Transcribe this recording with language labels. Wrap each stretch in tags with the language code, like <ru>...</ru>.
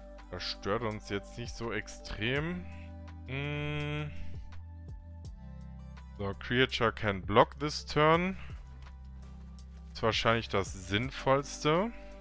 <de>Das stört uns jetzt nicht so extrem.</de> <en>So, Creature can block this turn.</en> <de>Ist wahrscheinlich das Sinnvollste.</de>